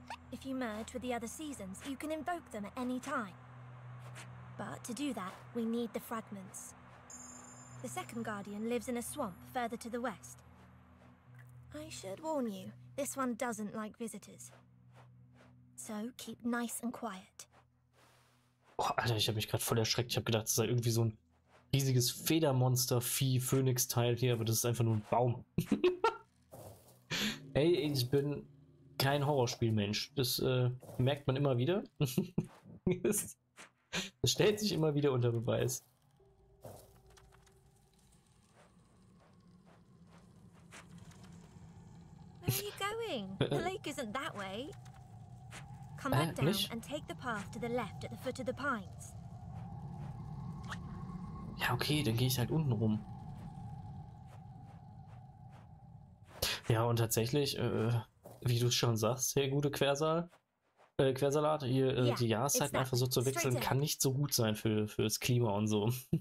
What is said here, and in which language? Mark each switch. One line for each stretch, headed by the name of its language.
English: If you merge with the other seasons, you can invoke them at any time. But to do that, we need the fragments. The second guardian lives in a swamp further to the west. I should warn you, this one doesn't like visitors. So keep nice and quiet.
German: Oh, Alter, ich habe mich gerade voll erschreckt. Ich habe gedacht, es sei irgendwie so ein riesiges Federmonster, Vieh, Phönix-Teil hier, aber das ist einfach nur ein Baum. Ey, ich bin kein Horrorspielmensch. Das merkt man immer wieder. Das stellt sich immer wieder unter Beweis.
English: Where are you going? The lake isn't that way. Come back down and take the path to the left at the foot of the pines.
German: Ja, okay, dann gehe ich halt unten rum. Ja, und tatsächlich, wie du schon sagst, sehr gute Quersalat, hier die Jahreszeiten einfach so zu wechseln, kann nicht so gut sein für das Klima und so.